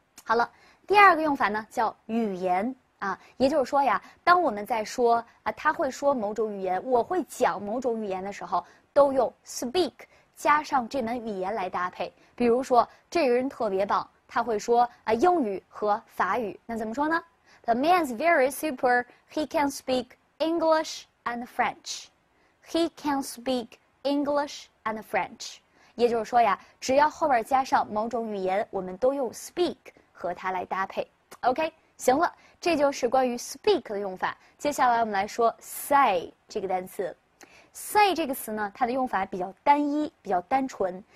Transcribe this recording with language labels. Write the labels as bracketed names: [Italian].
[Chinese] 好了，第二个用法呢，叫语言。啊，也就是说呀，当我们在说啊，他会说某种语言，我会讲某种语言的时候，都用 speak 加上这门语言来搭配。比如说，这个人特别棒，他会说啊英语和法语。那怎么说呢 [English] ？The man's very super. He can speak English and French. He can speak English and French. [Chinese] 也就是说呀，只要后边加上某种语言，我们都用 speak 和它来搭配。 OK。行了，这就是关于 speak 的用法。接下来我们来说 say 这个单词。 say 这个词呢，它的用法比较单一，比较单纯。